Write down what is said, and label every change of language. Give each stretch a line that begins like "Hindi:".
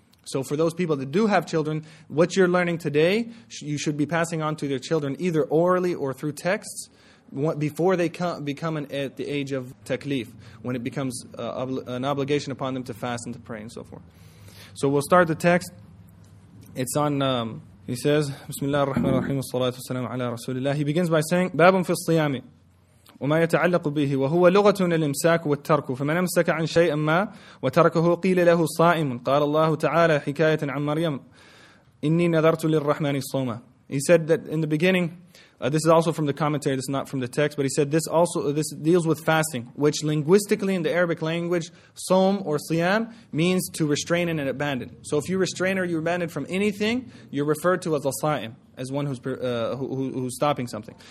English: So for those people that do have children, what you're learning today, you should be passing on to their children either orally or through texts before they become at the age of taklif, when it becomes an obligation upon them to fast and to pray and so forth. So we'll start the text. It's on, he says,
Arabic: بسم الله الرحمن الرحيم والصلاة والسلام على رسول الله.
English: He begins by saying,
Arabic: باب في الصيام وما يتعلق به وهو لغة الإمساك والترك فمن أمسك عن شيء ما وتركه قيل له صائم قال الله تعالى حكاية عن مريم إني نذرت للرحمن الصوم.
English: He said that in the beginning, this is also from the commentary, this is not from the text, but he said this deals with fasting, which linguistically in the Arabic language, صوم or صيام means to restrain and abandon. So if you restrain or you abandon from anything, you're referred to as a صائم, as one who's stopping something.